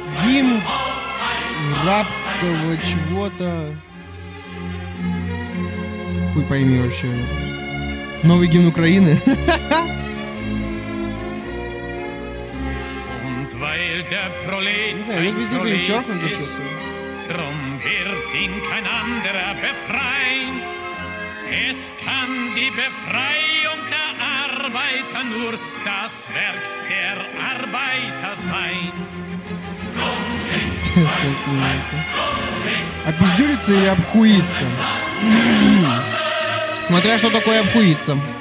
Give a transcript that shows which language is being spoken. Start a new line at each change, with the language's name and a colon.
Russian: Гимн рабского чего-то. Хуй пойми вообще. Новый гимн Украины. Не знаю, они везде были черкнуты.
German: Drum wird ihn kein anderer befreien. Es kann die Befreiung der Arbeiter nur das Werk der Arbeiter sein. Das ist nice.
Russian: Обездюлиться и обхуиться. Смотря что такое обхуиться.